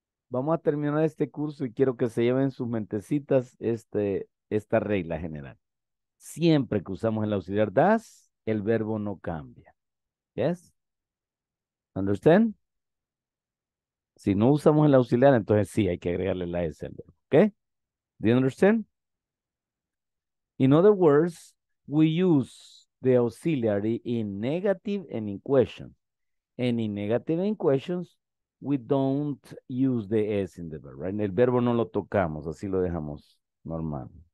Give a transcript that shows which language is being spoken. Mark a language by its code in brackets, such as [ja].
[es] Vamos a terminar este curso y quiero que se lleven sus mentecitas esta regla general. Siempre que usamos el auxiliar does, el verbo no cambia. [en] Yes? Understand? [es] Si no usamos el auxiliar, entonces sí, hay que agregarle la S al verbo. [en] ¿Ok? Do you understand? In other words, we use the auxiliary in negative and in question. And in negative and in questions, we don't use the S in the verb, right? [es] El verbo no lo tocamos, así lo dejamos normal.